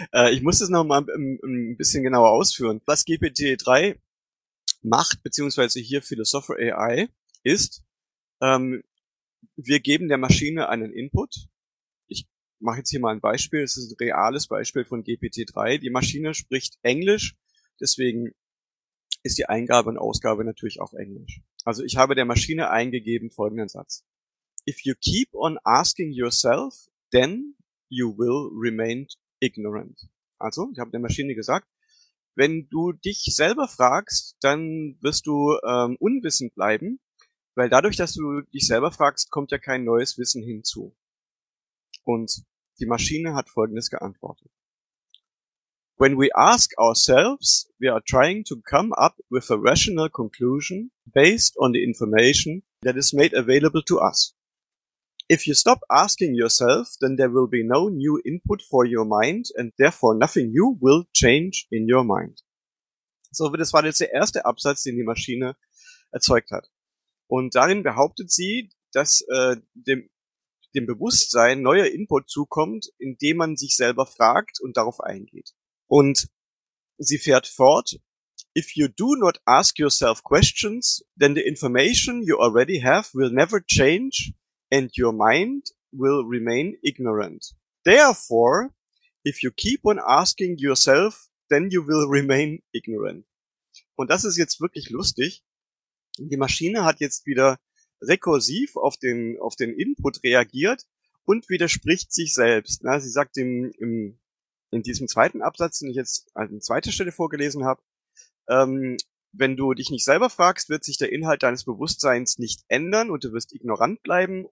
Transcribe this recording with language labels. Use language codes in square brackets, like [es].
[de] Ich muss das nochmal ein bisschen genauer ausführen. Was GPT-3 macht, beziehungsweise hier für die Software AI, ist, wir geben der Maschine einen Input. Ich mache jetzt hier mal ein Beispiel, es ist ein reales Beispiel von GPT-3. Die Maschine spricht Englisch, deswegen ist die Eingabe und Ausgabe natürlich auch Englisch. Also ich habe der Maschine eingegeben folgenden Satz. [en] If you keep on asking yourself, then you will remain ignorant. [de] Also, ich habe der Maschine gesagt, wenn du dich selber fragst, dann wirst du unwissend bleiben, weil dadurch, dass du dich selber fragst, kommt ja kein neues Wissen hinzu. Und die Maschine hat folgendes geantwortet. [en] When we ask ourselves, we are trying to come up with a rational conclusion based on the information that is made available to us. If you stop asking yourself, then there will be no new input for your mind and therefore nothing new will change in your mind. [de] So, das war jetzt der erste Absatz, den die Maschine erzeugt hat. Und darin behauptet sie, dass dem Bewusstsein neuer Input zukommt, indem man sich selber fragt und darauf eingeht. Und sie fährt fort. [en] If you do not ask yourself questions, then the information you already have will never change and your mind will remain ignorant. Therefore, if you keep on asking yourself, then you will remain ignorant. [de] Und das ist jetzt wirklich lustig. Die Maschine hat jetzt wieder rekursiv auf den Input reagiert und widerspricht sich selbst. Na, sie sagt in diesem zweiten Absatz, den ich jetzt an zweiter Stelle vorgelesen habe, wenn du dich nicht selber fragst, wird sich der Inhalt deines Bewusstseins nicht ändern und du wirst ignorant bleiben.